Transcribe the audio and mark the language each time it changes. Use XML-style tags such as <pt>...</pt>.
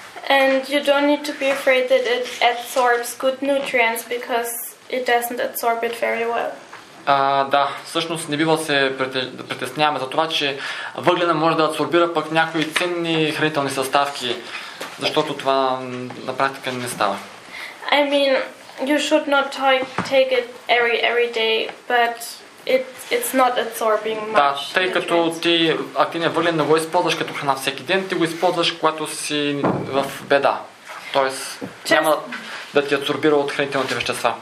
<en>And you don't need to be afraid that it absorbs good nutrients because it doesn't absorb it very well.</en> <bg>Да, всъщност не бива се да притесняваме за това, че въглена може да абсорбира пък някои ценни хранителни съставки, защото това на практика не става.</bg> <en>I mean, you should not take it every day, but it's not absorbing much.</en> <bg>Да, тъй като ти активният въглен не го използваш като храна всеки ден, ти го използваш когато си в беда. Тоест, няма да ти абсорбира от хранителните вещества.</bg>